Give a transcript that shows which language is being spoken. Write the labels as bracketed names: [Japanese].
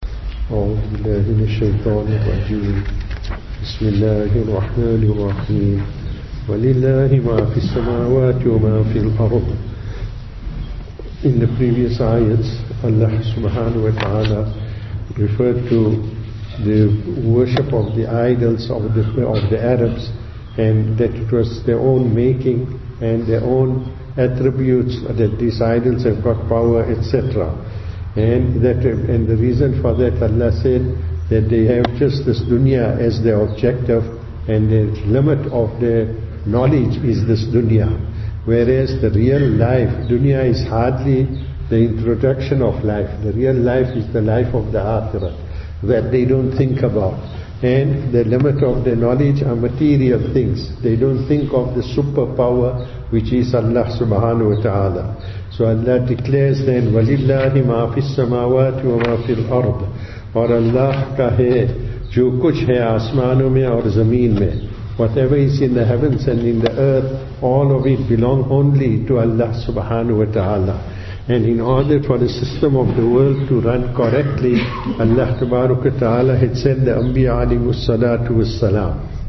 [Arabic] أعوذ بالله من الشيطان الرجيم. بسم الله الرحمن الرحيم. ولله ما في السماوات وما في الأرض. [English] In the previous ayats, Allah subhanahu wa ta'ala referred to the worship of the idols of the Arabs, and that it was their own making and their own attributes that these idols have got power, etc. And the reason for that, Allah said that they have just this dunya as their objective, and the limit of their knowledge is this dunya. Whereas the real life, dunya is hardly the introduction of life. The real life is the life of the akhirah that they don't think about. And the limit of their knowledge are material things. They don't think of the superpower which is Allah subhanahu wa ta'ala. So Allah declares then, [Arabic] وَلِلَّهِ مَا فِي السَّمَاوَاتِ وَمَا فِي الْأَرْضِ. [Urdu] Or Allah ka hai, jo kuch hai asmano mein aur zameen mein. [English] Whatever is in the heavens and in the earth, all of it belong only to Allah subhanahu wa ta'ala. And in order for the system of the world to run correctly, Allah tabaraka ta'ala had sent the Anbiya alayhi salatu wa salam.